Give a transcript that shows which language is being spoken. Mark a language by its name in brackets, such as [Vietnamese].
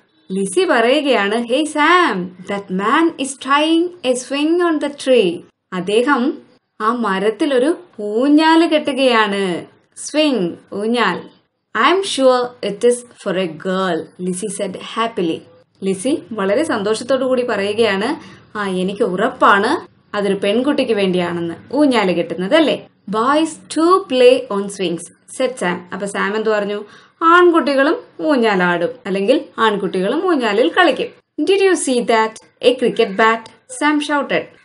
[English] Lizzy [Malayalam] parayukayanu, [English] hey Sam, that man is trying a swing on the tree. [Malayalam] Adeham aa marathil oru poonjal kettukayanu. [English] Swing, [Malayalam] poonjal. [English] I am sure it is for a girl, Lizzy said happily. [Malayalam] Lizzy വളരെ സന്തോഷത്തോടു കൂടി പറയുകയാണ്, എനിക്ക് ഉറപ്പാണ് അതൊരു പെൺകുട്ടിക്ക് വേണ്ടിയാണെന്ന്. ഊഞ്ഞാല് കിട്ടുന്നത് അല്ലേ. [English] Boys too play on swings, said Sam. [Malayalam] അപ്പൊ സാം എന്തു പറഞ്ഞു? ആൺകുട്ടികളും ഊഞ്ഞാലാടും, അല്ലെങ്കിൽ ആൺകുട്ടികളും ഊഞ്ഞാലിൽ കളിക്കും. [English] Did you see that? A cricket bat, Sam shouted.